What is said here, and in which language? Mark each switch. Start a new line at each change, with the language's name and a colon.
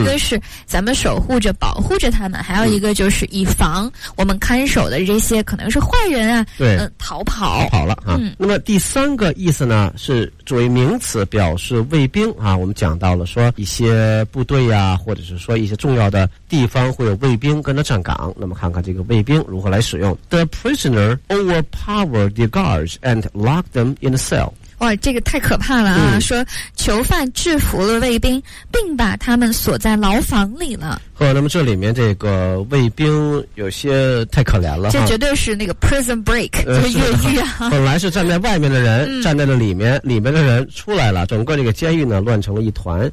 Chinese: 一个是咱们守护着、保护着他们，还有一个就是以防我们看守的这些可能是坏人啊，对、逃跑跑了啊、那么第三个意思呢是作为名词表示卫兵啊，我们讲到了说一些部队啊，或者是说一些重要的地方会有卫兵跟着站岗。那么看看这个卫兵如何来使用。
English: The prisoner overpowered the guards and locked them in the cell。
Chinese: 哇，这个太可怕了啊、说囚犯制服了卫兵并把他们锁在牢房里了。呵，那么这里面这个卫兵有些太可怜了，这绝对是那个 prison break、越狱啊。本来是站在外面的人、站在了里面，里面的人出来了，整个这个监狱呢乱成了一团。